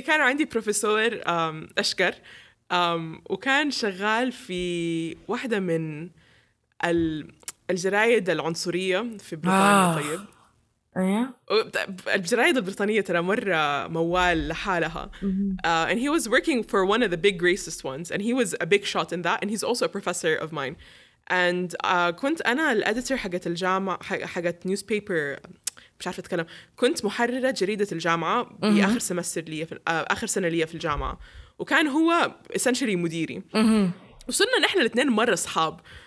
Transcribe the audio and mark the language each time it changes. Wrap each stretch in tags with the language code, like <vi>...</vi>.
<ar>كان عندي بروفيسور أشكر وكان شغال في واحدة من الجرايد العنصرية في بريطانيا. طيب ايه الجرايد البريطانية ترى مرة موال لحالها.</ar> <en>And he was working for one of the big racist ones and he was a big shot in that and he's also a professor of mine.</en> <ar>And كنت أنا الأديتر حقت الجامعة حقت newspaper مش عارفة أتكلم. كنت محررة جريدة الجامعة بآخر سمستر لي في آخر سنة لي في الجامعة وكان هو essentially مديري. وصلنا نحن الاثنين مرة أصحاب.</ar>